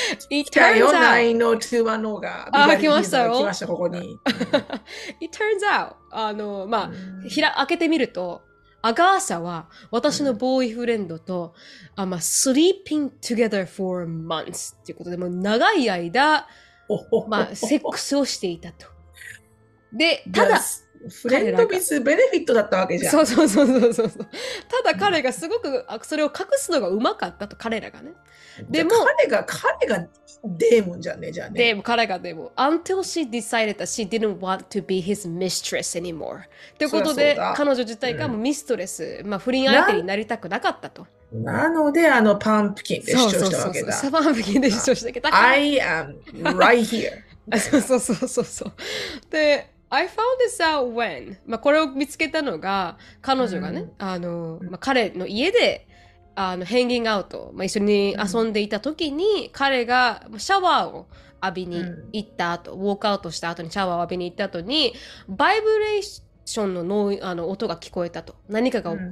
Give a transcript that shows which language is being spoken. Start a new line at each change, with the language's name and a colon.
English: It turns out,
Japanese: 来たよ、9-0-2-1-0 が。あ、来ましたよ。来ました、ここに。
English: It turns out,
Japanese: まあ、開けてみると、アガーサは私のボーイフレンドと、
English: sleeping together for months.
Japanese: ってことで、もう長い間、まあ、セックスをしていたと。で、ただ、フレンドミスベネフィットだったわけじゃん。そうそうそうそうそう。ただ彼がすごくそれを隠すのがうまかったと、彼らがね。でも彼がデーモンじゃねえじゃねえ。でも彼がデーモン。
English: Until she decided that she didn't want to be his mistress anymore。
Japanese: ということで彼女自体がもうミストレス、うん、まあ不倫相手になりたくなかったと。なので、あのパンプキンで主張したわけだ。そうそうそうそう、パンプキンで主張したわけだ。
English: I am right here 。
Japanese: そうそうそうそうそう。で、
English: I found this out when、
Japanese: まあ、これを見つけたのが彼女がね、うん、まあ、彼の家でヘンギングアウト、まあ、一緒に遊んでいた時に、うん、彼がシャワーを浴びに行った後、うん、ウォークアウトした後にシャワーを浴びに行った後にバイブレーション の音が聞こえたと、何かが